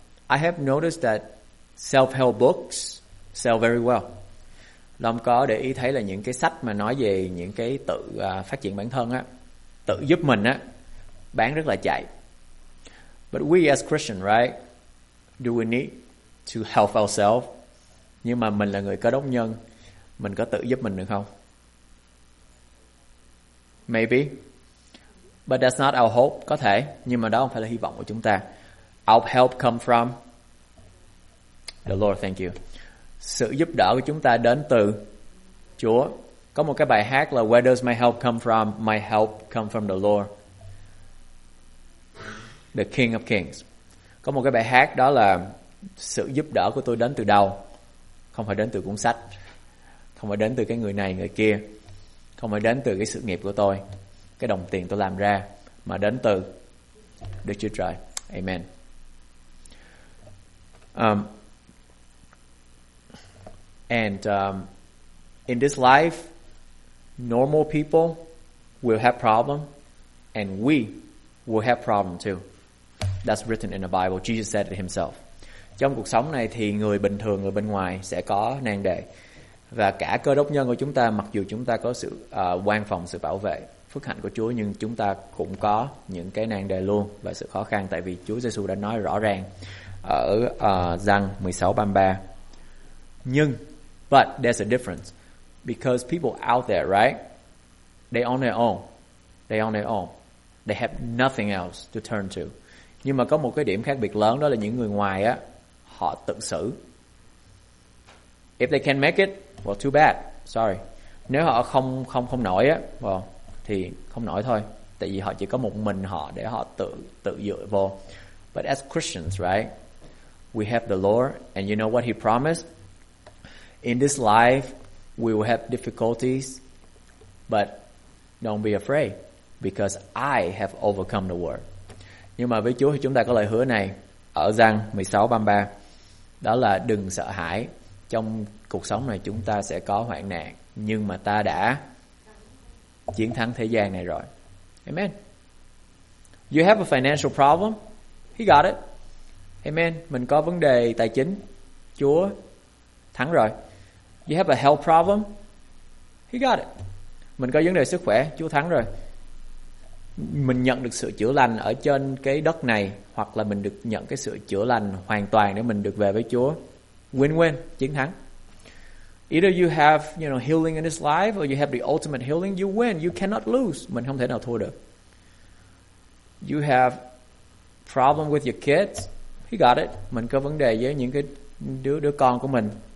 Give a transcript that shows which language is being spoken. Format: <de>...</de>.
<en>I have noticed that self-help books sell very well.</en> <vi>Long có để ý thấy là những cái sách mà nói về những cái tự phát triển bản thân á, tự giúp mình á, bán rất là chạy.</vi> <en>But we as Christian, right? Do we need to help ourselves?</en> <vi>Nhưng mà mình là người Cơ Đốc nhân, mình có tự giúp mình được không?</vi> <en>Maybe. But that's not our hope.</en> <vi>Có thể, nhưng mà đó không phải là hy vọng của chúng ta.</vi> <en>Our help come from the Lord, thank you.</en> <vi>Sự giúp đỡ của chúng ta đến từ Chúa. Có một cái bài hát là</vi> <en>Where does my help come from? My help come from the Lord, the King of Kings.</en> <vi>Có một cái bài hát đó là sự giúp đỡ của tôi đến từ đâu? Không phải đến từ cuốn sách, không phải đến từ cái người này người kia, không phải đến từ cái sự nghiệp của tôi, cái đồng tiền tôi làm ra, mà đến từ Đức Chúa Trời. Amen.</vi> <en>In this life, normal people will have problem, and we will have problem too. That's written in the Bible. Jesus said it himself.</en> <vi>Trong cuộc sống này thì người bình thường, người bên ngoài sẽ có nan đề. Và cả Cơ Đốc nhân của chúng ta, mặc dù chúng ta có sự quan phòng, sự bảo vệ, phước hạnh của Chúa, nhưng chúng ta cũng có những cái nan đề luôn và sự khó khăn, tại vì Chúa Giê-xu đã nói rõ ràng ở Giăng 16:33.</vi> <en>Nhưng, but there's a difference. Because people out there, right? They on their own. They on their own. They have nothing else to turn to.</en> <vi>Nhưng mà có một cái điểm khác biệt lớn, đó là những người ngoài á, họ tự xử.</vi> <en>If they can't make it, well, too bad. Sorry.</en> <vi>Nếu họ không nổi á, well, thì không nổi thôi. Tại vì họ chỉ có một mình họ để họ tự dựa vô.</vi> <en>But as Christians, right? We have the Lord, and you know what he promised? In this life, we will have difficulties, but don't be afraid, because I have overcome the world.</en> <vi>Nhưng mà với Chúa thì chúng ta có lời hứa này ở Giăng 16:33, đó là đừng sợ hãi, trong cuộc sống này chúng ta sẽ có hoạn nạn, nhưng mà ta đã chiến thắng thế gian này rồi.</vi> <en>Amen. You have a financial problem? He got it. Amen.</en> <vi>Mình có vấn đề tài chính, Chúa thắng rồi.</vi> <en>You have a health problem? He got it.</en> <vi>Mình có vấn đề sức khỏe, Chúa thắng rồi. Mình nhận được sự chữa lành ở trên cái đất này, hoặc là mình được nhận cái sự chữa lành hoàn toàn để mình được về với Chúa.</vi> <en>Win-win,</en> <vi>chiến thắng.</vi> <en>Either you have, you know, healing in this life, or you have the ultimate healing, you win. You cannot lose.</en> <vi>Mình không thể nào thua được.</vi> <en>You have problem with your kids? He got it.</en> <vi>Mình có vấn đề với những cái đứa con của mình.</vi>